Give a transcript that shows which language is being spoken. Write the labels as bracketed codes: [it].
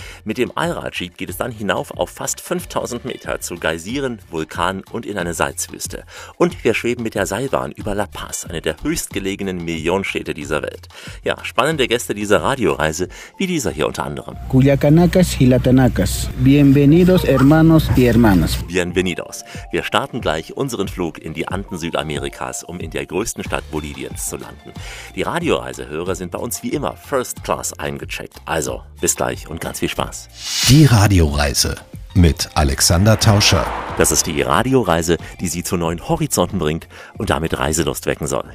[de] Mit dem Allradjeep geht es dann hinauf auf fast 5000 Meter zu Geysiren, Vulkanen und in eine Salzwüste. Und wir schweben mit der Seilbahn über La Paz, eine der höchstgelegenen Millionenstädte dieser Welt. Ja, spannende Gäste dieser Radioreise, wie dieser hier unter anderem. [ay] Culiacanacas, Jilatanacas. [es] Bienvenidos, hermanos y hermanas. Bienvenidos. [de] Wir starten gleich unseren Flug in die Anden Südamerikas, um in der größten Stadt Boliviens zu landen. Die Radioreisehörer sind bei uns wie immer First Class eingecheckt. Also, bis gleich und ganz viel Spaß. Die Radioreise mit Alexander Tauscher. Das ist die Radioreise, die Sie zu neuen Horizonten bringt und damit Reiselust wecken soll.